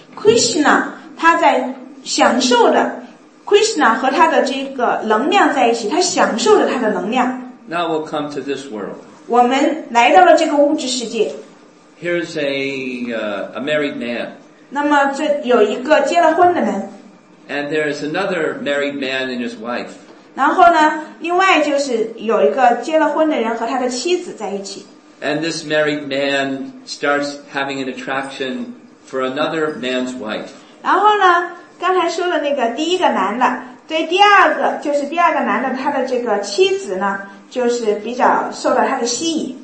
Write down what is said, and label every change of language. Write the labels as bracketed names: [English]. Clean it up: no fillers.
[Chinese] Krishna, 他在享受的 Krishna 和他的这个能量在一起，他享受着他的能量。 [English] Now we'll come to this world. [Chinese] 我们来到了这个物质世界。 [English] Here's a married man. [Chinese] 那么这有一个结了婚的人。 [English] And there's another married man and his wife. [Chinese] 然后呢，另外就是有一个结了婚的人和他的妻子在一起。 [English] And this married man starts having an attraction for another man's wife. [Chinese] 然后呢，刚才说的那个第一个男的，对第二个，就是第二个男的，他的这个妻子呢，就是比较受到他的吸引。